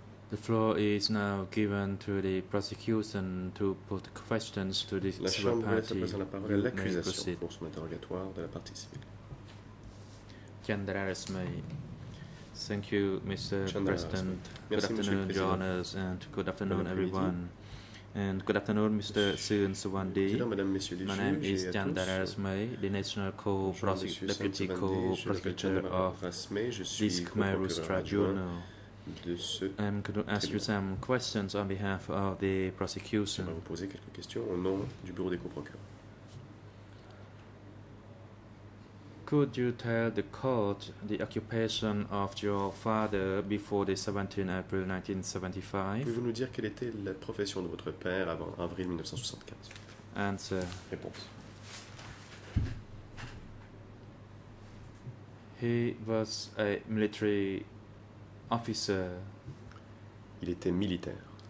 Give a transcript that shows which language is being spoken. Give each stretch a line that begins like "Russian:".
English: The floor is now given to the prosecution to put questions to the civil party.
French: La parole à l'accusation pour son interrogatoire de la partie civile.
English: Chandraras May. Thank you, Mr. President.
French: Merci,
English: good afternoon, Your Honours, and good afternoon, everyone. And good afternoon, Mr. Suen Suwandi. My name is Chandraras May, the National Deputy Co-Prosecutor of this Khmer Rouge Tribunal. I'm going to ask you some questions on behalf of the prosecution.
French: Je vais vous poser quelques questions au nom du bureau des co-procureurs.
English: Could you tell the court the occupation of your father before the 17 April 1975?
French: Pouvez-vous nous dire quelle était la profession de votre père avant avril 1975?
English: Answer.
French: Réponse.
English: He was a military officer.
French: Il était militaire.